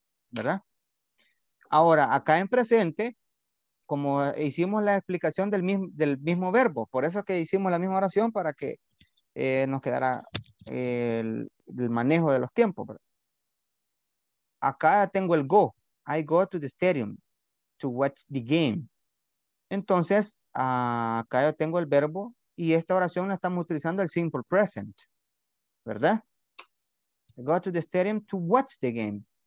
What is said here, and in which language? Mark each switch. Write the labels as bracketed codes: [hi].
[es] ¿Verdad? Ahora, acá en presente, como hicimos la explicación del mismo verbo, por eso que hicimos la misma oración para que nos quedara el manejo de los tiempos. Acá tengo el go. [en] I go to the stadium to watch the game. [es] Entonces, acá yo tengo el verbo y esta oración la estamos utilizando el simple present. ¿Verdad? [en] I go to the stadium to watch the game.